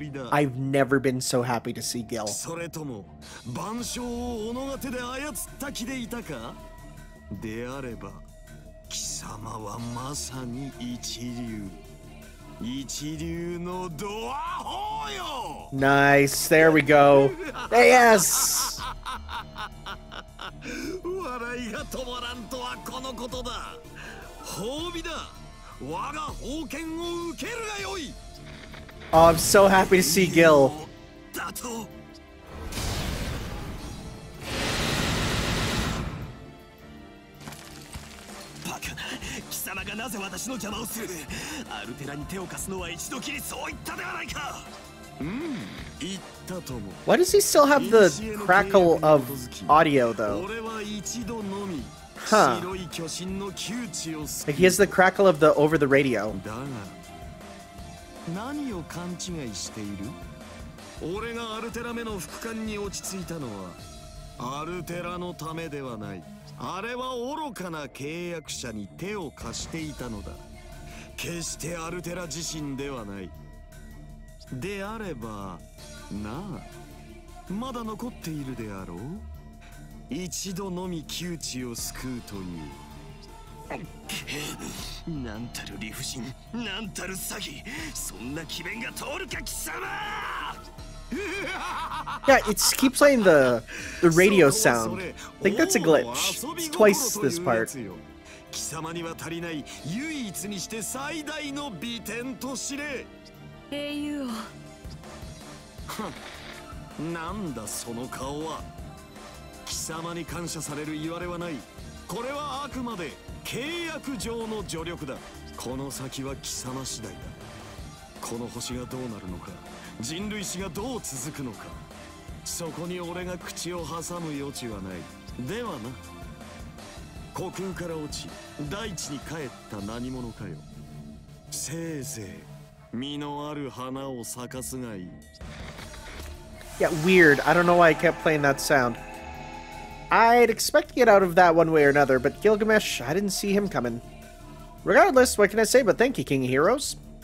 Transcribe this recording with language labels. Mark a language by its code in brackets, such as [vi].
[en] I've never been so happy to see Gil. [ja] それとも晩鐘を斧が手で操った気でいたか？であれば、貴様はまさに一流のドアホーよ。 [en] Nice, there we go. Yes! [ja] 笑いが止まらんとはこのことだ。褒美だ。我が宝剣を受けるがよい。 [en] Oh, I'm so happy to see Gil. [ja] だと。バカな、貴様がなぜ私の邪魔をする。アルテラに手を貸すのは一度きりそう言ったではないか。言ったとも。 [en] Why does he still have the crackle of audio though? [ja] 俺は一度のみ。 Huh. [en] Like he has the crackle of the over the radio. [ja] だが、何を勘違いしている？俺がアルテラ目の副官に落ち着いたのは、アルテラのためではない。あれは愚かな契約者に手を貸していたのだ。決してアルテラ自身ではない。であれば、なあ、まだ残っているであろう？一度のみ窮地を救うという。なんたる理不尽、なんたる詐欺、そんな奇弁が通るか貴様。 [en] Yeah, it's keep playing the radio sound. I think that's a glitch. It's twice this part. [ja] 貴様には足りない唯一にして最大の美点と知れ英雄王なんだその顔は貴様に感謝されるいわれはないこれはあくまで契約上の助力だこの先は貴様次第だこの星がどうなるのか人類史がどう続くのかそこに俺が口を挟む余地はないではな虚空から落ち大地に帰った何者かよせいぜい実のある花を咲かすがいい [en] Yeah, weird. I don't know why I kept playing that sound. I'd expect to get out of that one way or another, but Gilgamesh, I didn't see him coming. Regardless, what can I say but thank you, King of Heroes?